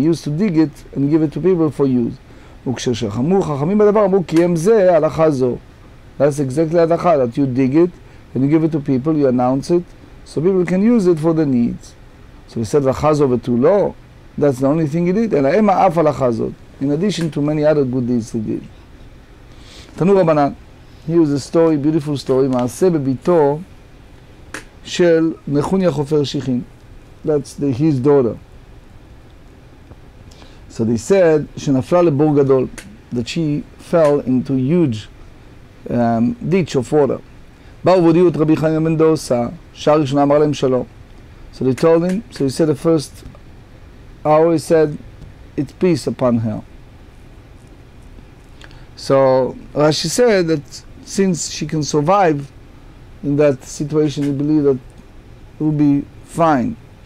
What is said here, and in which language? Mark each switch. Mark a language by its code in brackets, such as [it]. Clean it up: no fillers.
[en] He used to dig it and give it to people for use. [he] וכששחמו חכמים בדבר אמרו כי הם זה הלכה זו. [en] That's exactly הלכה, that you dig it and you give it to people, you announce it, so people can use it for the needs. So he said [he] הלכה זו [en] ותו לא. That's the only thing he did. [he] אלא הם האף הלכה זאת. [en] In addition to many other good deeds he did. [he] תנו רבנן. [en] Here is a story, beautiful story. [he] מעשה בביתו של נחוניה חופר שיחין. [en] That's his daughter. So they said, [he] שנפלה לבור גדול, [en] that she fell into a huge ditch of water. [he] באו ודיעו את רבי חנינא בן דוסא, שעה ראשונה אמר להם שלום. [en] So they told him, so he said the first hour, he said, it's peace upon her. So Rashi said that since she can survive in that situation, he believed that it will be fine.